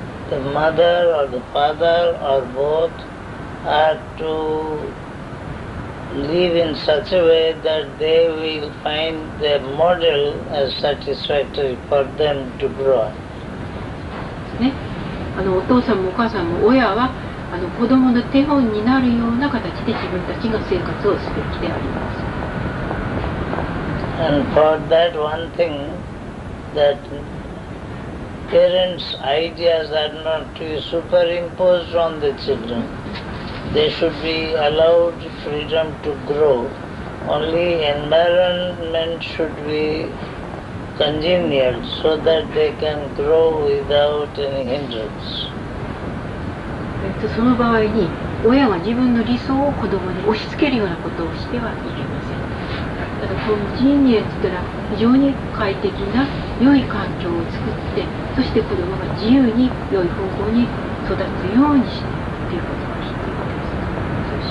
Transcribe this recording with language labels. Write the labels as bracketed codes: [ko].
[en] The mother or the father or both are to live in such a way that they will find their model as satisfactory for them to grow up. [ja] ね、お父さんもお母さんも親は子供の手本になるような形で自分たちの生活をすべきであります。 [en] And for that one thing that Parents' ideas are not to be superimposed on the children. They should be allowed freedom to grow only environment should be congenial so that they can grow without any hindrance. [ja] その場合に親は自分の理想を子供に押し付けるようなことをしてはいけません。だからコンジニエットは非常に快適な良い環境を作って、そして子供が自由に良い方向に育つようにしているということが必要です。